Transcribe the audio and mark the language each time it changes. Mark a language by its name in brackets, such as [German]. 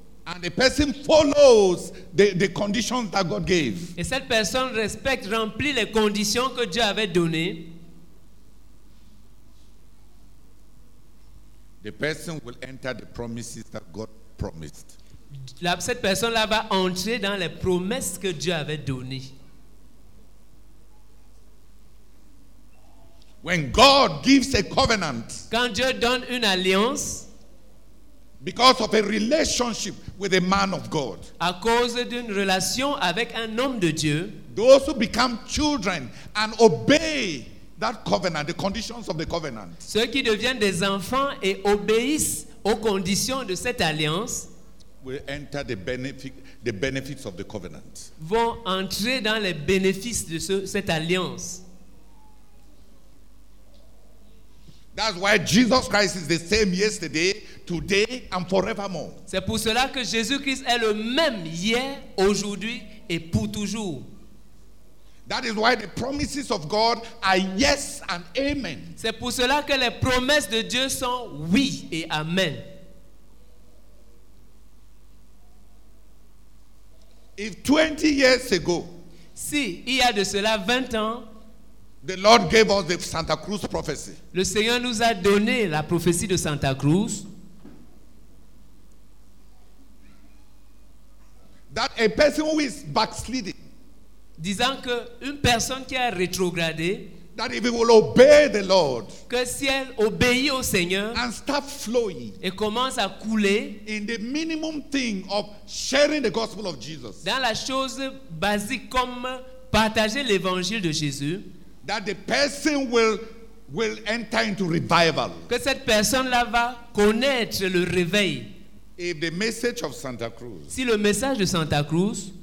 [English] And the person follows the conditions that God gave. [French] Et cette personne respecte, remplit les conditions que Dieu avait données. [English] The person will enter the promises that God promised. [French] Cette personne-là va entrer dans les promesses que Dieu avait données. [English] When God gives a covenant, [French] quand Dieu donne une alliance, [English] because of a relationship with a man of God, [French] à cause d'une relation avec un homme de Dieu, [English] those who become children and obey that covenant, the conditions of the covenant, [French] ceux qui deviennent des enfants et obéissent aux conditions de cette alliance, [English] will enter the benefits of the covenant. [French] Vont entrer dans les bénéfices de cette alliance. [English] That's why Jesus Christ is the same yesterday, today, and forevermore. [French] C'est pour cela que Jésus-Christ est le même hier, aujourd'hui et pour toujours. [English] That is why the promises of God are yes and amen. [French] C'est pour cela que les promesses de Dieu sont oui et amen. [English] If 20 years ago, [French] si il y a de cela 20 ans, [English] the Lord gave us the Santa Cruz prophecy. [French] Le Seigneur nous a donné la prophétie de Santa Cruz. [English] That a person who is backsliding, [French] disant que une personne qui a rétrogradé, [English] that if he will obey the Lord, [French] que si elle obéit au Seigneur, [English] and start flowing, [French] et commence à couler, [English] in the minimum thing of sharing the gospel of Jesus, [French] dans la chose basique comme partager l'évangile de Jésus, [English] that the person will enter into revival, [French] que cette personne là va connaître le réveil, [English] if the message of Santa Cruz, [French] si le message de Santa Cruz,